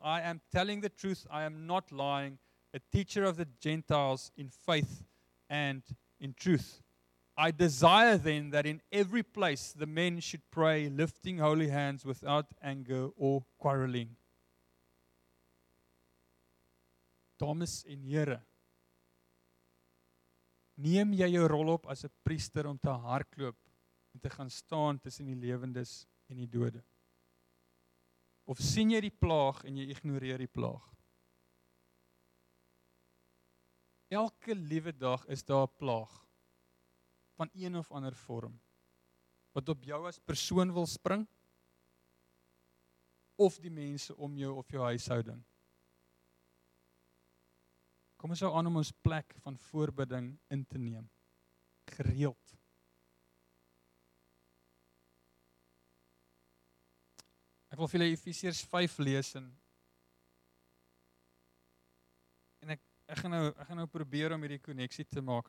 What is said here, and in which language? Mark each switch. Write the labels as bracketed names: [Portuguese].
[English] I am telling the truth, I am not lying, a teacher of the Gentiles in faith and in truth. I desire then that in every place the men should pray, lifting holy hands without anger or quarreling. [Afrikaans] Thomas en Here, neem jy jou rol op as 'n priester om te hardloop en te gaan staan tussen die lewendes en die dode? Of sien jy die plaag en jy ignoreer die plaag? Elke liewe dag is daar 'n plaag van een of ander vorm wat op jou as persoon wil spring, of die mense om jou of jou huishouding. Kom ons hou aan om ons plek van voorbidding in te neem, gereeld. Ek wil vir julle Efesiërs 5 lees en ek gaan nou probeer om hierdie koneksie te maak.